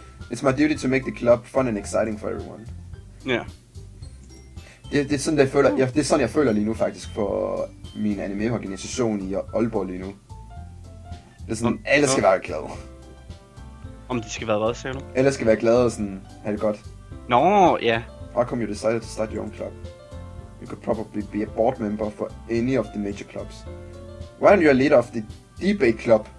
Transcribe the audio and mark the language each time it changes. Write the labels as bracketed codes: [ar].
[en] It's my duty to make the club fun and exciting for everyone. Yeah. [da] Det er sådan, jeg føler, det er sådan, jeg føler lige nu faktisk for min anime-organisation i Aalborg lige nu. Det er sådan, alle skal være glade. Om de skal være hvad, siger du? Alle skal være glade og sådan, have det godt. Nå, ja. [en] How come you decided to start your own club? You could probably be a board member for any of the major clubs. Why aren't you a leader of the debate club?